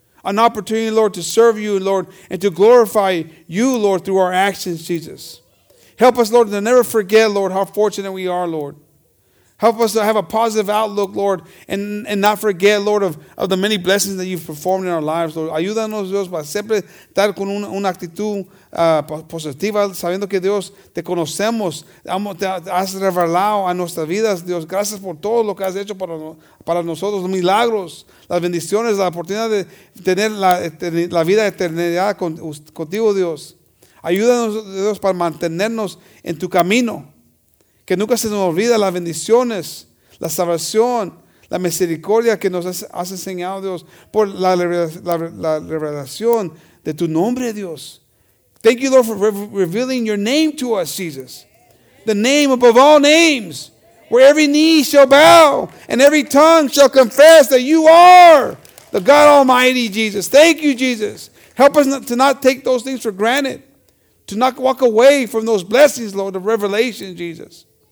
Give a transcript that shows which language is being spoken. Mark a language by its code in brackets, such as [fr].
[en] An opportunity, Lord, to serve you, Lord, and to glorify you, Lord, through our actions, Jesus. Help us, Lord, to never forget, Lord, how fortunate we are, Lord. Help us to have a positive outlook, Lord, and not forget, Lord, of the many blessings that you've performed in our lives, Lord. [es] Ayúdanos, Dios, para siempre estar con una actitud positiva, sabiendo que Dios te conocemos, te has revelado a nuestras vidas, Dios. Gracias por todo lo que has hecho para nosotros, los milagros, las bendiciones, la oportunidad de tener la vida eterna contigo, Dios. Ayúdanos, Dios, para mantenernos en tu camino. Que nunca se nos olvida las bendiciones, la salvación, la misericordia que nos has enseñado, Dios, por la revelación de tu nombre, Dios. [en] Thank you, Lord, for revealing your name to us, Jesus. The name above all names, where every knee shall bow and every tongue shall confess that you are the God Almighty, Jesus. Thank you, Jesus. Help us not, to not take those things for granted, to not walk away from those blessings, Lord, of revelation, Jesus.